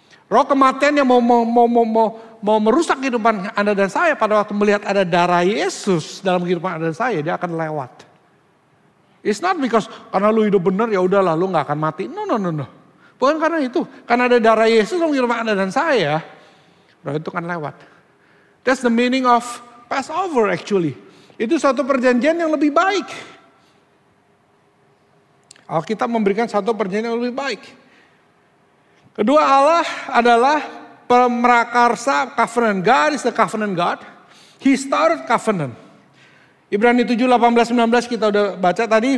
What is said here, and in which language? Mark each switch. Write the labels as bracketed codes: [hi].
[id] Roh kematian yang mau merusak kehidupan Anda dan saya pada waktu melihat ada darah Yesus dalam kehidupan Anda dan saya, dia akan lewat. [en] It's not because [id] karena lu hidup benar ya udahlah lu enggak akan mati. [en] No. [id] Bukan karena itu, karena ada darah Yesus dalam kehidupan Anda dan saya, roh itu akan lewat. [en] That's the meaning of Passover actually. [id] Itu suatu perjanjian yang lebih baik. Alkitab memberikan satu perjanjian yang lebih baik. Kedua, Allah adalah pemrakarsa covenant. [en] God is the covenant God. He started covenant. [id] Ibrani 7:18-19 kita udah baca tadi.